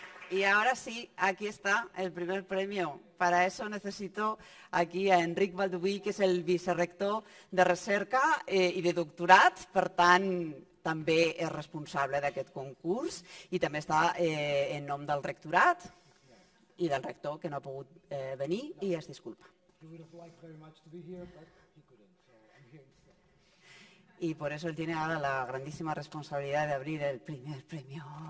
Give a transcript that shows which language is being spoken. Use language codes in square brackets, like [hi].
[es] Y ahora sí, aquí está el primer premio. Para eso necesito aquí a Enric Balduí, que es el vicerrector de recerca y de doctorat. [ca] Per tant, també és responsable d'aquest concurs i també està en nom del rectorat i del rector, que no ha pogut venir i es disculpa. [es] Y por eso él tiene ahora la grandísima responsabilidad de abrir el primer premio.